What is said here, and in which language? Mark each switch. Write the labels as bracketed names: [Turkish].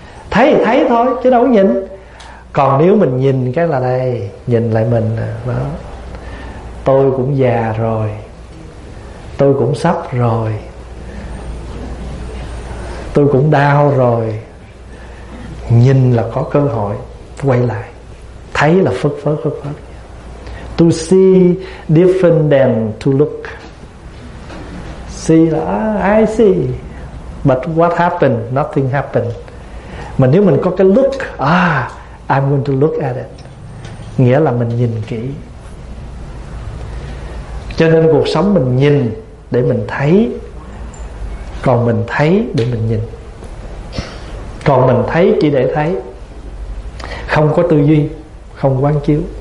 [Vietnamese] Thấy thì thấy thôi chứ đâu có nhìn. Còn nếu mình nhìn cái là đây, nhìn lại mình đó. Tôi cũng già rồi, tôi cũng sắp rồi, tôi cũng đau rồi. Nhìn là có cơ hội quay lại. Thấy là phất phất phất phất. [English] To see different than to look. See là I see, but what happened? Nothing happened. [Vietnamese] Mà nếu mình có cái look, [English] I'm going to look at it, [Vietnamese] nghĩa là mình nhìn kỹ. Cho nên cuộc sống mình nhìn để mình thấy, còn mình thấy để mình nhìn, còn mình thấy chỉ để thấy, không có tư duy, không quán chiếu.